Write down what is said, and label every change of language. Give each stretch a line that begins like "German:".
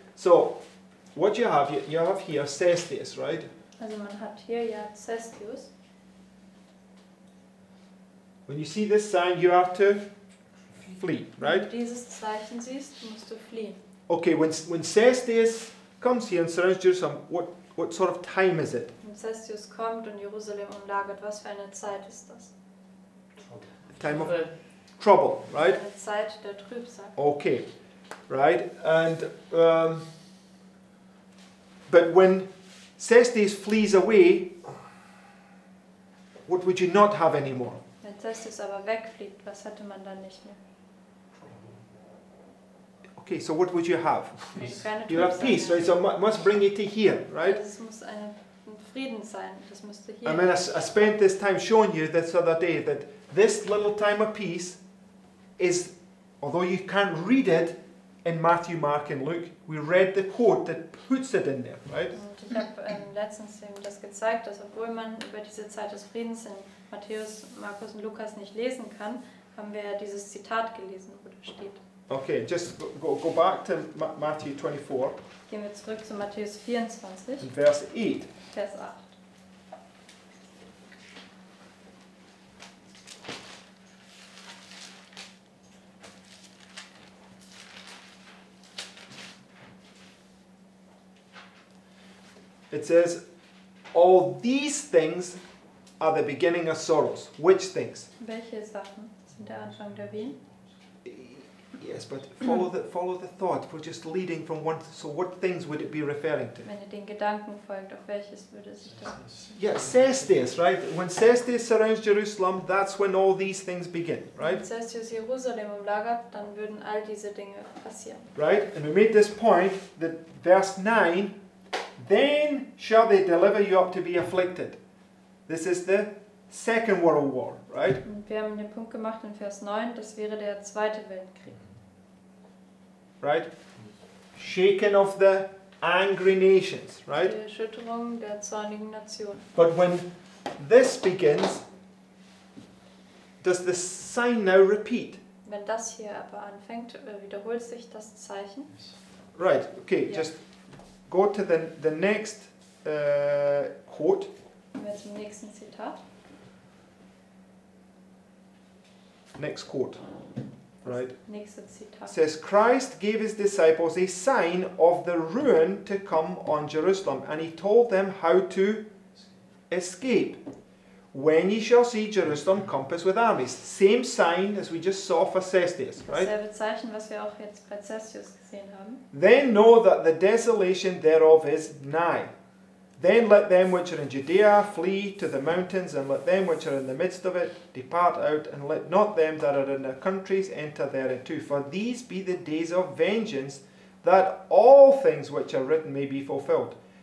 English: So, what do you have? You have here Cestius, right?
German: Also man hat hier ja Cestius.
English: When you see this sign, you have to flee, right?
German: Wenn du dieses Zeichen siehst, musst du fliehen.
English: Okay, when Cestius comes here and surrounds Jerusalem, what sort of time is it?
German: Wenn Cestius kommt und Jerusalem umlagert, was für eine Zeit ist das?
English: Time of trouble, right?
German: Eine Zeit der Trübsal.
English: Okay, right? And but when Cestius flees away, what would you not have anymore?
German: Wenn Cestius aber wegfliegt, was hätte man dann nicht mehr?
English: Okay, so what would you have? Peace. You have peace, right? So must bring it to here, right?
German: Das muss ein Frieden sein. Das müsste hier.
English: I mean, I spent this time showing you this other day that this little time of peace is, although you can't read it in Matthew, Mark, and Luke, we read the quote that puts it in there, right?
German: Und ich habe letztens eben das gezeigt, dass obwohl man über diese Zeit des Friedens in Matthäus, Markus und Lukas nicht lesen kann, haben wir dieses Zitat gelesen, wo da steht.
English: Okay, just go back to Matthew 24.
German: Gehen wir zurück zu Matthäus 24.
English: And verse 8.
German: Vers 8.
English: It says, all these things are the beginning of sorrows. Which things?
German: Welche Sachen sind der Anfang der Wehen?
English: Yes, but follow the thought. We're just leading from one. So, what things would it be referring to?
German: Wenn ihr den Gedanken folgt, auf welches würde sich das?
English: Yeah, Cestius, right? When Cestius surrounds Jerusalem, that's when all these things begin, right?
German: Wenn Cestius Jerusalem umlagert, dann würden all diese Dinge passieren.
English: Right, and we made this point that verse 9, then shall they deliver you up to be afflicted. This is the Second World War, right?
German: Wir haben den Punkt gemacht in Vers 9, das wäre der Zweite Weltkrieg.
English: Right? Shaken of the angry nations, right?
German: Die Erschütterung der zornigen Nationen.
English: But when this begins, does the sign now repeat?
German: Wenn das hier aber anfängt, wiederholt sich das Zeichen?
English: Right, okay, yeah. Just go to the next quote.
German: Wir zum nächsten Zitat.
English: Next quote, right?
German: Nächste Zitat.
English: Says, Christ gave his disciples a sign of the ruin to come on Jerusalem, and he told them how to escape. When ye shall see Jerusalem compassed with armies. Same sign as we just saw for Cestius, right?
German: Selbe Zeichen, was wir auch jetzt bei Cestius gesehen haben.
English: Then know that the desolation thereof is nigh. Then let them which are in Judea flee to the mountains, and let them which are in the midst of it depart out, and let not them that are in their countries enter thereinto. For these be the days of vengeance, that all things which are written may be fulfilled.